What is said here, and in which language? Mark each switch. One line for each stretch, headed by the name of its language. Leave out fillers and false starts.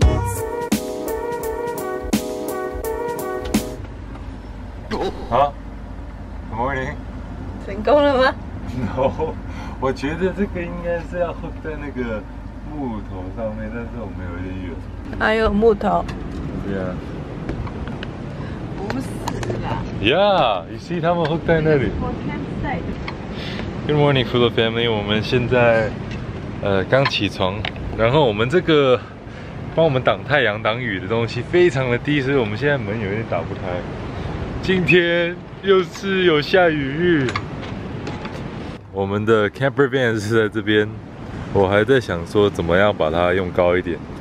English: 啊 ，Good morning。
Chinese: 成功了吗？No， 我觉得这个应该是要 hook 在那个木头上面，但是我们有点远。还有木头。对啊。不是啦。
English: Yeah， you see 他们 hook 在那里。 Good morning, Fuller family.
Chinese: 我们现在刚起床，然后我们这个帮我们挡太阳挡雨的东西非常的低，所以我们现在门有点打不开。今天又是有下雨日，我们的 camper van 是在这边，我还在想说怎么样把它用高一点。